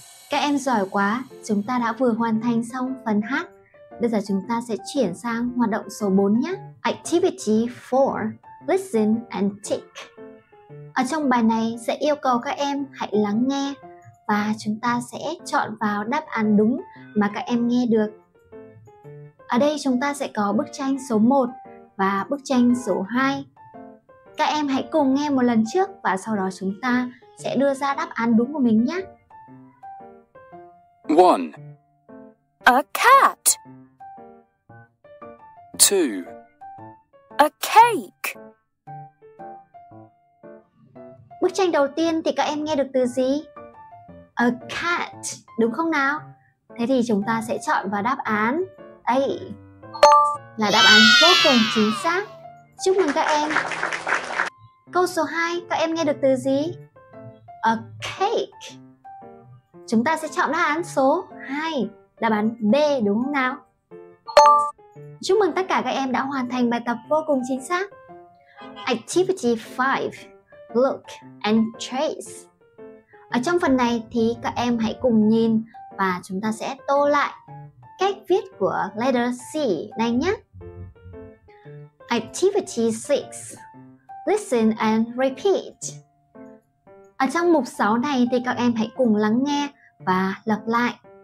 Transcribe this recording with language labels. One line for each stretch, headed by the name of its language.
Vietnamese: Các em giỏi quá, chúng ta đã vừa hoàn thành xong phần hát. Bây giờ chúng ta sẽ chuyển sang hoạt động số 4 nhé.
English: Activity 4, listen and tick.
Vietnamese: Ở trong bài này sẽ yêu cầu các em hãy lắng nghe và chúng ta sẽ chọn vào đáp án đúng mà các em nghe được. Ở đây chúng ta sẽ có bức tranh số 1 và bức tranh số 2. Các em hãy cùng nghe một lần trước và sau đó chúng ta sẽ đưa ra đáp án đúng của mình nhé.
English: 1. A cat. 2. A cake.
Vietnamese: Bức tranh đầu tiên thì các em nghe được từ gì?
English: A cat,
Vietnamese: đúng không nào? Thế thì chúng ta sẽ chọn vào đáp án A. Là đáp án vô cùng chính xác. Chúc mừng các em. Câu số 2, các em nghe được từ gì?
English: A cake.
Vietnamese: Chúng ta sẽ chọn đáp án số 2, đáp án B, đúng không nào? Chúc mừng tất cả các em đã hoàn thành bài tập vô cùng chính xác.
English: Activity 5, look and trace.
Vietnamese: Ở trong phần này thì các em hãy cùng nhìn và chúng ta sẽ tô lại cách viết của letter C này nhé.
English: Activity 6, listen and repeat.
Vietnamese: Ở trong mục 6 này thì các em hãy cùng lắng nghe và lặp lại.